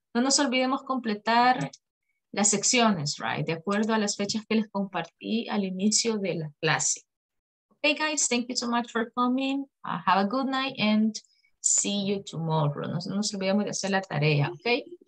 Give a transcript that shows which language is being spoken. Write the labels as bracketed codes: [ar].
[es] No nos olvidemos completar las secciones, right? De acuerdo a las fechas que les compartí al inicio de la clase. [en] Okay, guys, thank you so much for coming. Have a good night and see you tomorrow. [es] No nos olvidemos de hacer la tarea, okay?